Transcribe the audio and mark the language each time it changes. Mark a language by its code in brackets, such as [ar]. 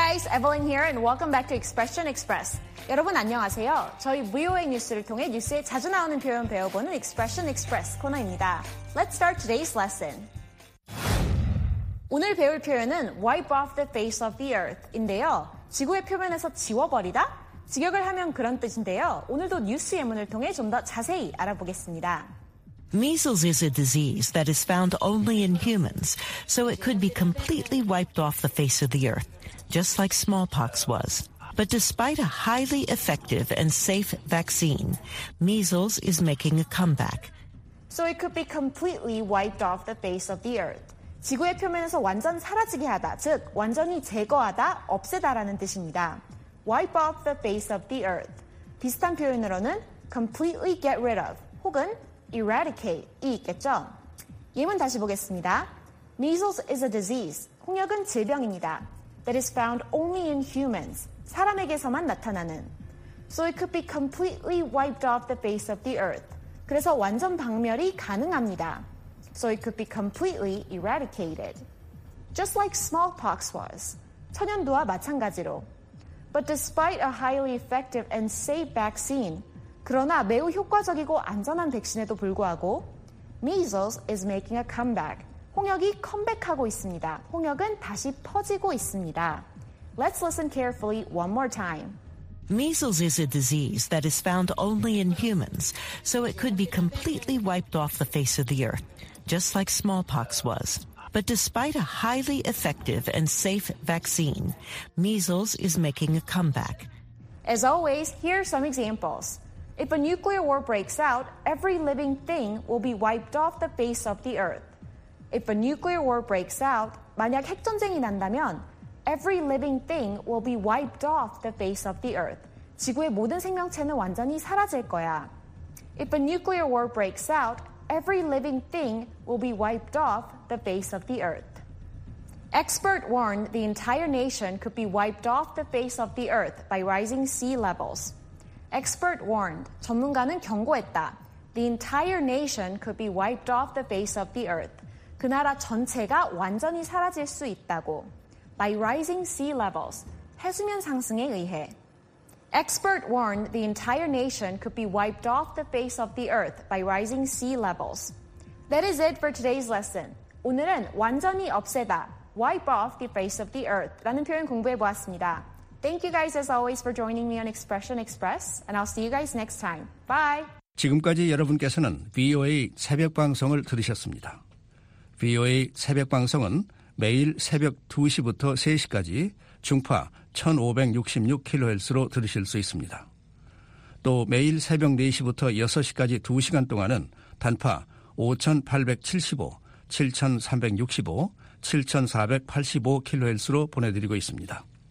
[en] Evelyn here and welcome back to Expression Express. [ko] 여러분 안녕하세요. 저희 VOA 뉴스를 통해 뉴스에 자주 나오는 표현 배워보는 Expression Express 코너입니다. [en] Let's start today's lesson. [ko] 오늘 배울 표현은 [en] wipe off the face of the earth인데요. [ko] 지구의 표면에서 지워버리다? 직역을 하면 그런 뜻인데요. 오늘도 뉴스 예문을 통해 좀 더 자세히 알아보겠습니다. [en] Measles is a disease that is found only in humans, so it could be completely wiped off the face of the earth, just like smallpox was. But despite a highly effective and safe vaccine, measles is making a comeback. So it could be completely wiped off the face of the earth. [ko] 지구의 표면에서 완전 사라지게 하다, 즉 완전히 제거하다, 없애다라는 뜻입니다. [en] Wipe off the face of the earth. [ko] 비슷한 표현으로는 [en] completely get rid of [ko] 혹은 eradicate이 있겠죠. 예문 다시 보겠습니다. [en] Measles is a disease. [ko] 홍역은 질병입니다. [en] That is found only in humans. [ko] 사람에게서만 나타나는. [en] So it could be completely wiped off the face of the earth. [ko] 그래서 완전 박멸이 가능합니다. [en] So it could be completely eradicated. Just like smallpox was. [ko] 천연두와 마찬가지로. [en] But despite a highly effective and safe vaccine, [ko] 그러나 매우 효과적이고 안전한 백신에도 불구하고 [en] measles is making a comeback. [ko] 홍역이 컴백하고 있습니다. 홍역은 다시 퍼지고 있습니다. [en] Let's listen carefully one more time. Measles is a disease that is found only in humans, so it could be completely wiped off the face of the earth, just like smallpox was. But despite a highly effective and safe vaccine, measles is making a comeback. As always, here are some examples. If a nuclear war breaks out, every living thing will be wiped off the face of the earth. If a nuclear war breaks out, [ko] 만약 핵전쟁이 난다면, [en] every living thing will be wiped off the face of the earth. [ko] 지구의 모든 생명체는 완전히 사라질 거야. [en] If a nuclear war breaks out, every living thing will be wiped off the face of the earth. Expert warned the entire nation could be wiped off the face of the earth by rising sea levels. Expert warned, [ko] 전문가는 경고했다. [en] The entire nation could be wiped off the face of the earth. [ko] 그 나라 전체가 완전히 사라질 수 있다고. [en] By rising sea levels, [ko] 해수면 상승에 의해. [en] Expert warned the entire nation could be wiped off the face of the earth by rising sea levels. That is it for today's lesson. [ko] 오늘은 완전히 없애다, wipe off the face of the earth 라는 표현 공부해 보았습니다. [en] Thank you guys as always for joining me on Expression Express, and I'll see you guys next time. Bye! [ko] 지금까지 여러분께서는 VOA 새벽 방송을 들으셨습니다. VOA 새벽 방송은 매일 새벽 2시부터 3시까지 중파 1566kHz로 들으실 수 있습니다. 또 매일 새벽 4시부터 6시까지 2시간 동안은 단파 5875, 7365, 7485kHz로 보내드리고 있습니다.